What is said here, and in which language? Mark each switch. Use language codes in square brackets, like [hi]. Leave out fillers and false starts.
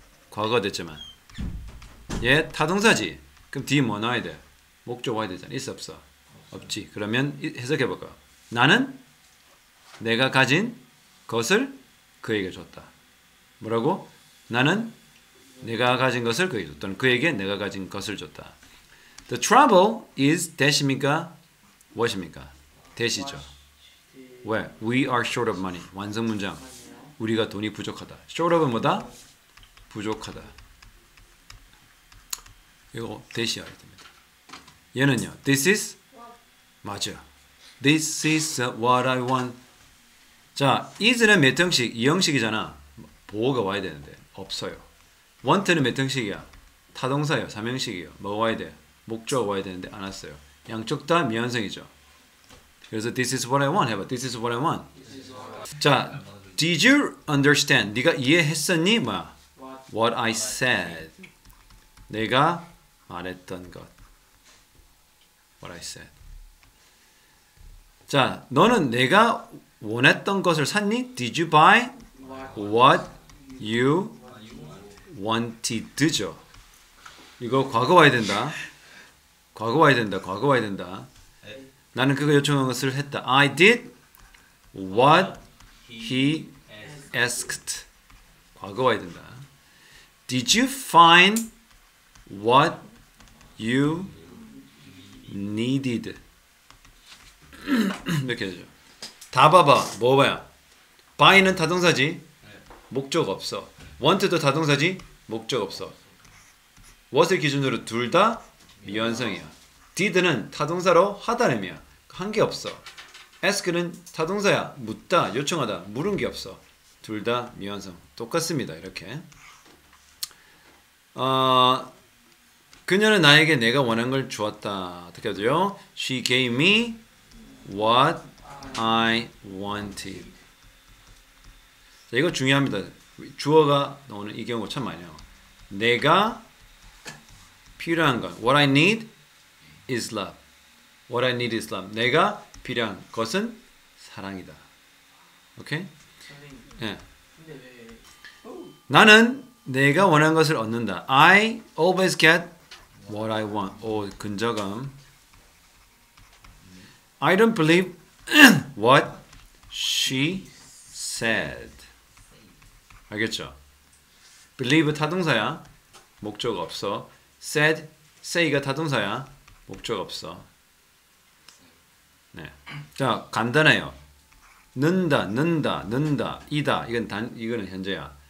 [ko] 과거가 됐지만. 예, 타동사지. 그럼 뒤에 뭐 나와야 돼? 목적 와야 되잖아. 있어 없어? 없지. 그러면 해석해볼까? 나는 내가 가진 것을 그에게 줬다. 뭐라고? 나는 내가 가진 것을 그에게 줬다. 또는 그에게 내가 가진 것을 줬다. [en] The trouble is that입니까? [ko] what입니까? that이죠. 왜? [en] We are short of money. [ko] 완성 문장. 우리가 돈이 부족하다. Short of 뭐다? 부족하다. 이거 that이어야 됩니다. [en] 얘는요. This is 맞아. This is what I want. [ko] 자, is는 몇 형식? 2형식이잖아. 보호가 와야 되는데. 없어요. want는 몇 형식이야? 타동사예요. 3형식이에요. 뭐가 와야 돼? 목적 와야 되는데 안 왔어요. 양쪽 다 미완성이죠. [en] 그래서 this is what I want. 해봐. This is what I want. What [ko] 자, [en] did you understand? [ko] 네가 이해했었니? 뭐야? [en] What I said. [ko] 내가 말했던 것. [en] What I said. [ko] 자, 너는 내가 원했던 것을 샀니? [en] Did you buy what you wanted?죠. [ko] 이거 과거 와야 된다. 과거 와야 된다. 과거 와야 된다. 나는 그가 요청한 것을 했다. [en] I did what he asked. [ko] 과거 와야 된다. [en] Did you find what you needed? [ko] 이렇게 해줘. 다 봐봐. 뭐 봐야? buy는 타동사지? 목적 없어. want도 타동사지? 목적 없어. what을 기준으로 둘 다 미완성이야. did는 타동사로 하다는 의미야. 한 게 없어. ask는 타동사야. 묻다, 요청하다, 물은 게 없어. 둘 다 미완성. 똑같습니다. 이렇게. 그녀는 나에게 내가 원한 걸 주었다. 어떻게 해줘요? [en] She gave me what I wanted. [ko] 자, 이거 중요합니다. 주어가 나오는 이 경우 참 많아요. 내가 필요한 것. [en] What I need is love. What I need is love. [ko] 내가 필요한 것은 사랑이다. 오케이? 예. 나는 내가 원하는 것을 얻는다. [en] I always get what I want. [ko] 오, 근저감. [en] I don't believe what she said. [ko] 알겠죠? Believe 타동사야. 목적 없어. Said, say가 타동사야. 목적 없어. 네. 자, 간단해요. 는다, 는다, 는다, 이다. 이건 단, 이거는 현재야.